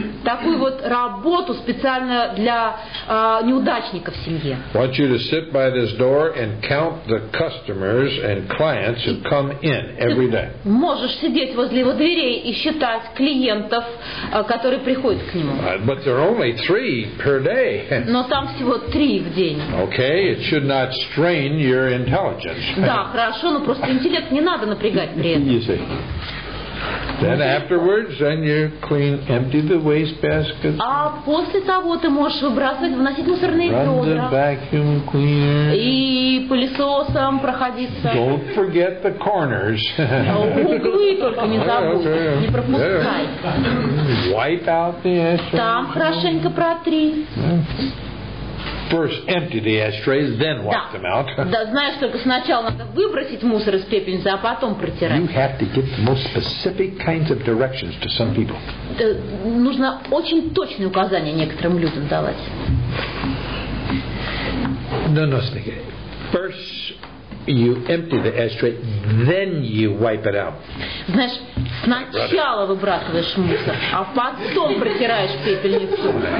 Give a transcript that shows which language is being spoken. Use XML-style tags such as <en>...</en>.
<ru>Такую вот работу специально для неудачников в семье.</ru> <en>I want you to sit by this door and count the customers and clients who come in every day.</en> <ru>Можешь сидеть возле его дверей и считать клиентов, которые приходят к нему.</ru> <en>But there are only three per day.</en> <ru>Но там всего три в день.</ru> <en>Okay, it should not strain your intelligence.</en> <ru>Да, хорошо, но просто интеллект не надо напрягать при этом.</ru> <en>You see. Then afterwards, then you clean, empty the waste basket.</en> <ru>А после того ты можешь выбрасывать, вносить мусорные ведра.</ru> <en>Run the vacuum cleaner.</en> <ru>И пылесосом проходиться.</ru> <en>Don't forget the corners.</en> <ru>Углы только не забудь, не пропускай.</ru> <en>Wipe out the ashtray.</en> <ru>Там хорошенько протри.</ru> <en>First empty the ashtrays, then wipe them out.</en> <ru>Да, знаешь, только сначала надо выбросить мусор из пепельницы, а потом протирать.</ru> <en>You have to give the most specific kinds of directions to some people.</en> <ru>Нужно очень точные указания некоторым людям давать.</ru> <en>No, Snicky. First you empty the ashtray, then you wipe it out.</en> <ru>Знаешь, сначала выбрасываешь мусор, а потом протираешь пепельницу.</ru>